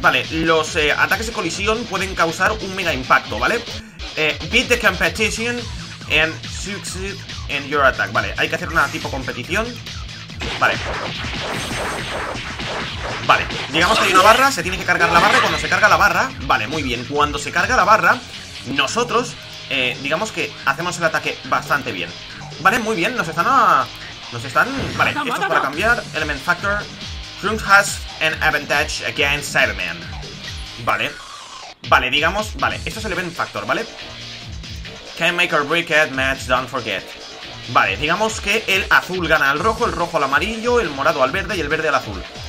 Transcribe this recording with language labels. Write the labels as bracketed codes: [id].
[es] Vale, los ataques de colisión pueden causar un mega impacto, ¿vale? [en] Beat the competition and succeed in your attack. [es] Vale, hay que hacer una tipo competición. Vale. Vale, digamos que hay una barra, se tiene que cargar la barra. Cuando se carga la barra, vale, muy bien. Cuando se carga la barra, nosotros, digamos que hacemos el ataque bastante bien. Vale, muy bien, nos están. Vale, esto es para cambiar. Element Factor. [en] Trunks has an advantage against Cyberman. [es] Vale. Vale, digamos. Vale, esto es el Event Factor, ¿vale? [en] Can make or break it, match, don't forget. [es] Vale, digamos que el azul gana al rojo, el rojo al amarillo, el morado al verde y el verde al azul.